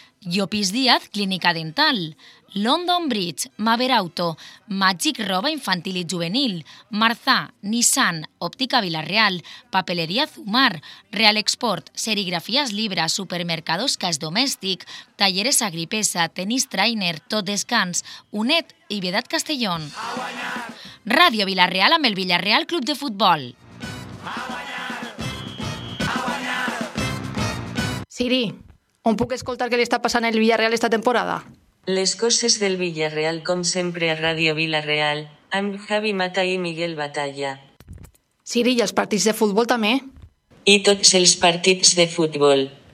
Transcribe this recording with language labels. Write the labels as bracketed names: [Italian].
[Spanish] Llopis Díaz, Clínica Dental, London Bridge, Maver Auto, Magic Roba Infantil y Juvenil, Marzá, Nissan, Óptica Vila-real, Papelería Zumar, Real Export, Serigrafías Libra, Supermercados Cas Domestic, Talleres Agripesa, Tenis Trainer, Tot Descans, UNED y Viedad Castellón. [Catalan] Radio Vila-real amb el Vila-real Club de Futbol. Siri, ¿on puc escoltar [Spanish] qué le está pasando en el Vila-real esta temporada? [Catalan] Les coses del Vila-real, com sempre, a Ràdio Vila-real, amb Javi Mata i Miguel Batalla. Siri, i els partits de futbol també? I tots els partits de futbol.